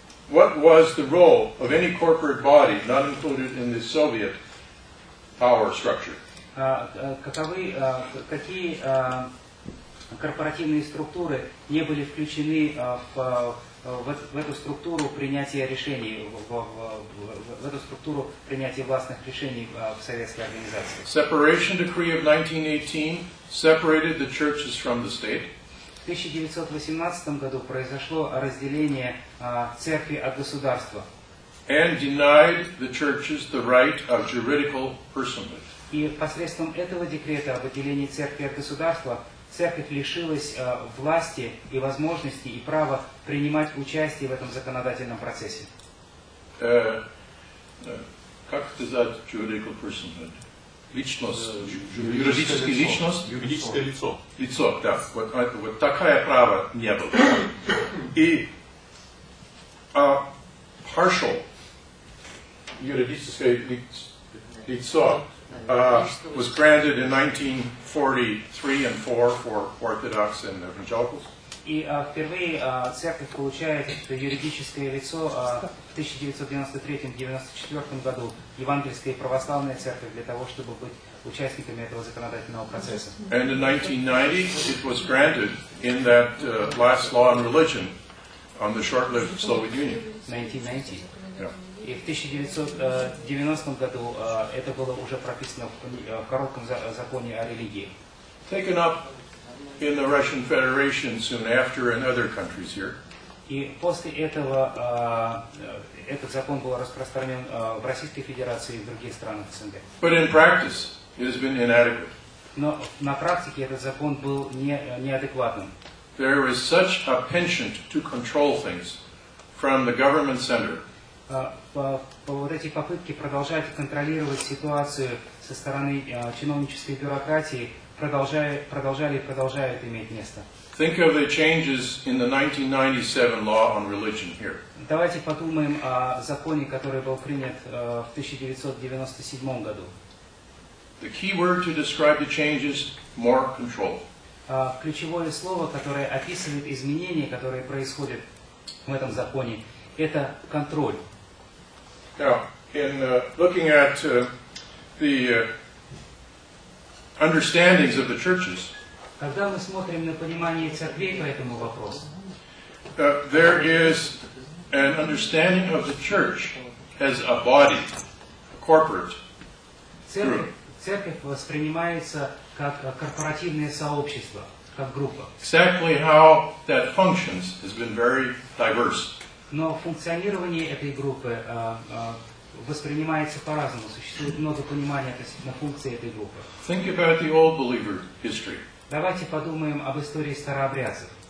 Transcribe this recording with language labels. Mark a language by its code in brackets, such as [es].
[en] What was the role of any corporate body not included in the Soviet power structure? [ru] Какие корпоративные структуры не были включены в эту структуру принятия решений, в эту структуру принятия властных решений в советской организации? [en] Separation decree of 1918 separated the churches from the state. [ru] В 1918 году произошло разделение церкви от государства. [en] And denied the churches the right of juridical personhood. [ru] И посредством этого декрета об отделении церкви от государства церковь лишилась власти и возможности и права принимать участие в этом законодательном процессе. Как сказать [en] juridical personhood? [ru] Юридическое лицо. Лицо, да. Вот такое право не было. И [en] partial [ru] юридическое лицо [en] was granted in 1943 and 4 for Orthodox and Evangelicals. [ru] И впервые церковь получает юридическое лицо в 1993-94 году Евангельская и Православная Церковь для того, чтобы быть участниками этого законодательного процесса. [en] And in 1990 it was granted in that last law on religion on the short-lived Soviet Union. [ru] 1990. И в 1990 году это было уже прописано в коротком законе о религии. [en] Taken up in the Russian Federation soon after in other countries here. [ru] И после этого этот закон был распространен в Российской Федерации и в других странах СНГ. [en] But in practice, it has been inadequate. [ru] Но на практике этот закон был неадекватным. [en] There is such a penchant to control things from the government center. [ru] По вот эти попытки продолжать контролировать ситуацию со стороны чиновнической бюрократии продолжали и продолжают иметь место. [en] Think of the changes in the 1997 law on religion here. [ru] Давайте подумаем о законе, который был принят в 1997 году. [en] The key word to describe the changes, more control. [ru] Ключевое слово, которое описывает изменения, которые происходят в этом законе, это контроль. [en] Now, in looking at the understandings of the churches, [ru] когда мы смотрим на понимание церквей по этому вопросу, [en] there is an understanding of the church as a body, a corporate group. [ru] Церковь воспринимается как корпоративное сообщество, как группа. [en] Exactly how that functions has been very diverse. [ru] Но функционирование этой группы воспринимается по-разному. Существует много понимания относительно функции этой группы. [en] Think about the old believer history. [ru] Давайте подумаем об истории старообрядцев.